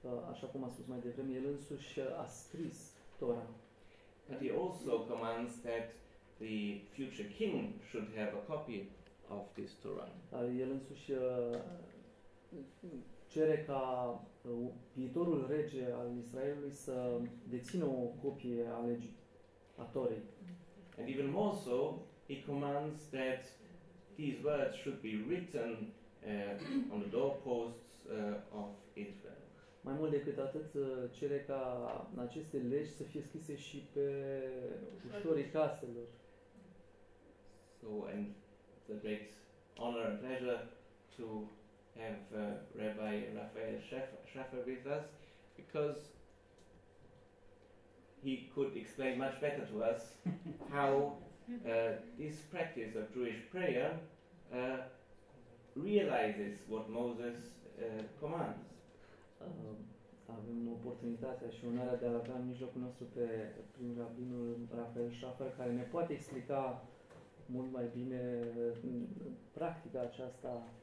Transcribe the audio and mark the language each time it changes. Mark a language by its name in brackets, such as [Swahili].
[Romanian] Așa cum a spus mai devreme, el însuși a scris Torah. [English] But he also commands that the future king should have a copy of this Torah. [Romanian] El însuși cere ca viitorul rege al Israelului să dețină o copie a legii, a Torei. [English] And even more so, he commands that these words should be written on the doorposts of Israel. [Romanian] Mai mult decât atât, cere ca aceste legi să fie scrise și pe ușorii caselor. [English] So, and the great honor and pleasure to have Rabbi Raphael Schaffer with us, because he could explain much better to us how this practice of Jewish prayer realizes what Moses commands. [Romanian] Avem oportunitatea și onoarea de a avea în mijlocul nostru pe prim rabinul Raphael Schaffer, care ne poate explica mult mai bine practica aceasta.